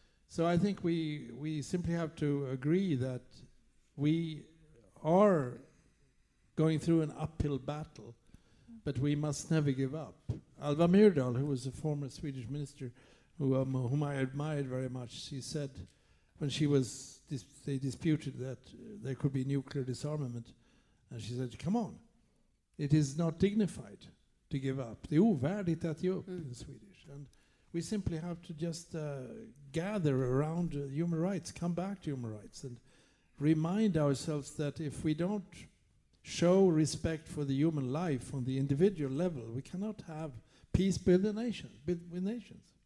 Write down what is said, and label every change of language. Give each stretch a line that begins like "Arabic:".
English: So I think we simply have to agree that we are going through an uphill battle, but we must never give up. Alva Myrdal, who was a former Swedish minister, whom I admired very much, she said when she was they disputed that there could be nuclear disarmament, and she said, come on, it is not dignified to give up.
Swedish: Det är ovärdigt att ge upp
English: in Swedish. And we simply have to just gather around human rights, come back to human rights, and remind ourselves that if we don't show respect for the human life on the individual level, we cannot have peace building nations, with nations.